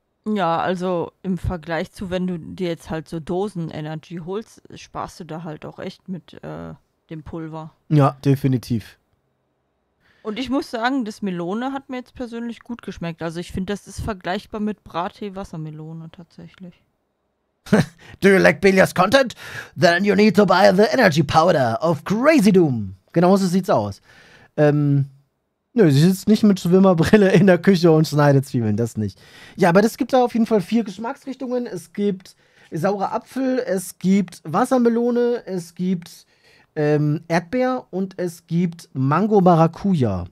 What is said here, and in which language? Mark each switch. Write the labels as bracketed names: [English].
[German] Ja, also im Vergleich zu, wenn du dir jetzt halt so Dosen-Energy holst, sparst du da halt auch echt mit dem Pulver. Ja, definitiv. Und ich muss sagen, das Melone hat mir jetzt persönlich gut geschmeckt. Also ich finde, das ist vergleichbar mit Brattee-Wassermelone tatsächlich. [English] Do you like Belias Content? Then you need to buy the Energy Powder of Crazy Doom. [German] Genauso sieht's aus. Nö, sie sitzt nicht mit Schwimmerbrille in der Küche und schneidet Zwiebeln, das nicht. Ja, aber es gibt da auf jeden Fall vier Geschmacksrichtungen. Es gibt saure Apfel, es gibt Wassermelone, es gibt Erdbeer und es gibt Mango-Maracuja.